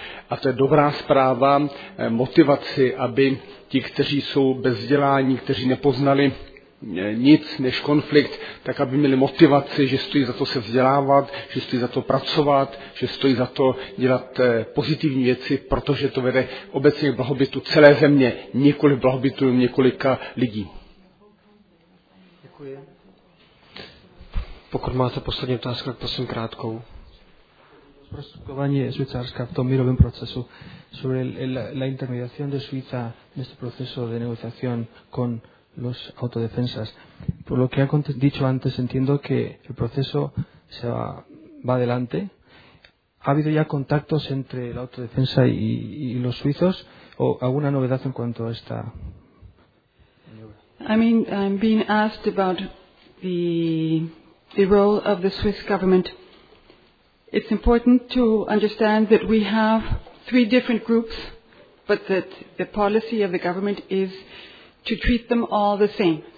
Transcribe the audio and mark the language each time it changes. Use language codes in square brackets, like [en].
[cs] A to je dobrá zpráva, motivaci, aby ti, kteří jsou bez vzdělání, kteří nepoznali nic než konflikt, tak aby měli motivaci, že stojí za to se vzdělávat, že stojí za to pracovat, že stojí za to dělat pozitivní věci, protože to vede obecně k blahobytu celé země, nikoli blahobytu několika lidí. Děkuji. Pokud máte poslední otázku, tak prosím krátkou. Prostupování Švýcarska v tom mírovém procesu, [es] sobre la intermediación de Suiza en este proceso de negociación con los autodefensas. Por lo que ha dicho antes, entiendo que el proceso se va adelante. ¿Ha habido ya contactos entre la autodefensa y los suizos o alguna novedad en cuanto a esta? [en] I mean, I'm being asked about the role of the Swiss government. It's important to understand that we have three different groups, but that the policy of the government is to treat them all the same.